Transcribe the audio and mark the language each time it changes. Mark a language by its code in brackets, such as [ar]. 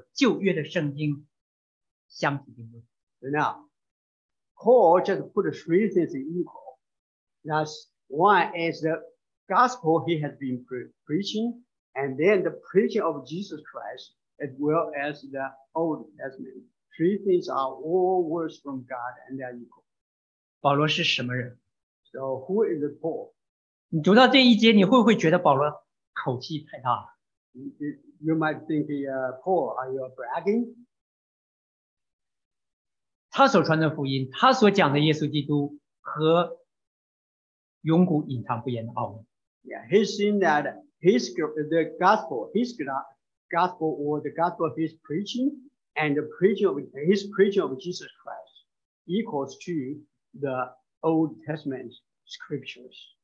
[zh] 保罗在这里将他所传的福音，他所讲的耶稣基督和永古隐藏不言的奥秘或者旧约的圣经相提并论。 [en] So now, Paul just put three things in equal. That's one is the gospel he has been preaching, and then the preaching of Jesus Christ, as well as the Old Testament. Three things are all words from God, and they are equal. [zh] 保罗是什么人? [en] So who is Paul? [zh] 你读到这一节，你会不会觉得保罗口气太大了? [en] You might think, Paul, are you bragging? [zh] 他所传的福音，他所讲的耶稣基督和 永古隐藏不言的奥秘。 [en] Yeah, he's seen that the gospel or the gospel of his preaching and the preaching of his preaching of Jesus Christ equals to the Old Testament scriptures.